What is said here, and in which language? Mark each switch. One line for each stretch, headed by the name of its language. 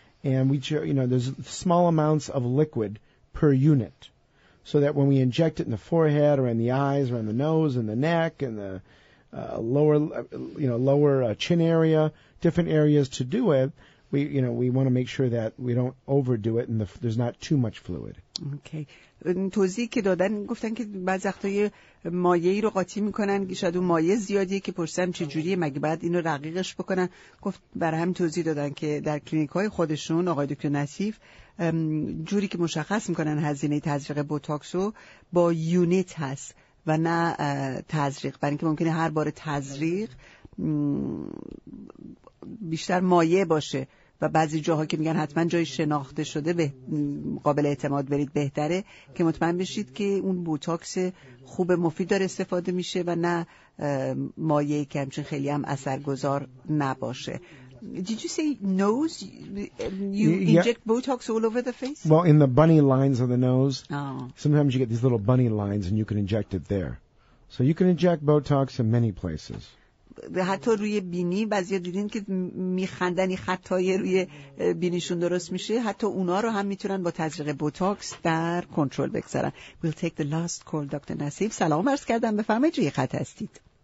English: And we, you know, there's small amounts of liquid per unit, so that when we inject it in the forehead or in the eyes or in the nose and the neck and the lower chin area, different areas to do it, we want to make sure that we don't overdo it and there's not too much fluid. Okay.
Persian: توضیحی که دادن گفتن که بعضی وقتای مایعی رو قاطی میکنن، شاید اون مایع زیادیه که پرسیدم چه جوریه، مگه بعد اینو رقیقش بکنن؟ گفت برای همین توضیح دادن که در کلینیک های خودشون آقای دکتر نصیف جوری که مشخص میکنن هزینه تزریق بوتاکس رو با یونیت هست و نه تزریق، برای اینکه ممکنه هر بار تزریق بیشتر مایع باشه و بعضی جاها که میگن حتما جای شناخته شده به قابل اعتماد برید بهتره، که مطمئن بشید که اون بوتاکس خوب مفید داره استفاده میشه و نه مایعی که همچنین خیلی هم اثرگذار نباشه.
English: Did you say nose? You inject Botox all over the face? Well, in the bunny lines of the nose. Oh. Sometimes you get these little bunny lines and you can inject it there. So you can inject Botox in many places.
Persian: حتی روی بینی، بعضی ها دیدین که میخندن این خطای روی بینیشون درست میشه، حتی اونا رو هم میتونن با تزریق بوتاکس در کنترل بگذارن.
English: We'll take the last call.
Persian: دکتر نصیف سلام عرض کردم، بفرمایید روی خط هستید.